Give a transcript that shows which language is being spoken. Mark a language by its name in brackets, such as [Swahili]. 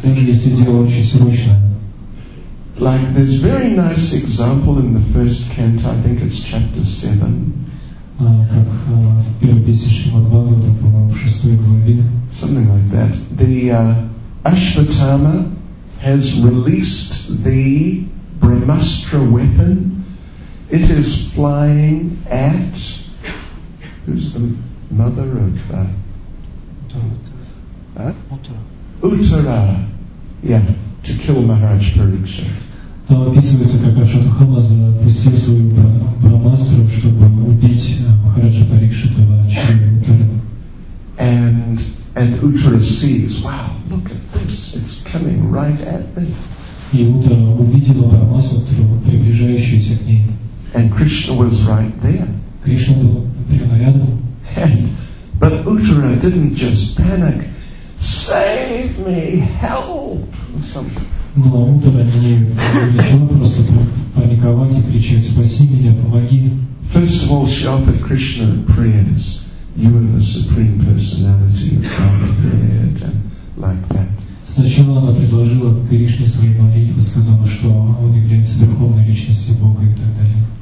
[Russian] Даже если дело очень срочное. [English] Like there's very nice example in the first canto, I think it's chapter 7. [Russian] Как в первой песне Шримад-Бхагаватам, по-моему, в шестой главе. [English] Something like that. The Ashvatthama has released the Brahmastra weapon. It is flying at... Who's the mother of... Uttara. Yeah, to kill Maharaj Pariksit. [Russian] Там описывается, как Ашватхама запустил свою брамастру, чтобы убить Махараджа Парикшитова, члена Уттары. [English] And Uttara sees, wow, look at this, it's coming right at me. [Russian] И Уттара увидела брамастру, приближающуюся к ней. [English] And Krishna was right there. [Russian] Кришна был прямо рядом. [English] But Uttara didn't just panic, save me, help, or something. [Russian] Но утро не начало просто паниковать и кричать: «Спаси меня, помоги!» [English] First of all, she offered Krishna prayers. You are the supreme personality of Godhead, and like that. [Russian] Сначала она предложила Кришне свои молитвы, сказала, что он является верховной личностью Бога и так далее.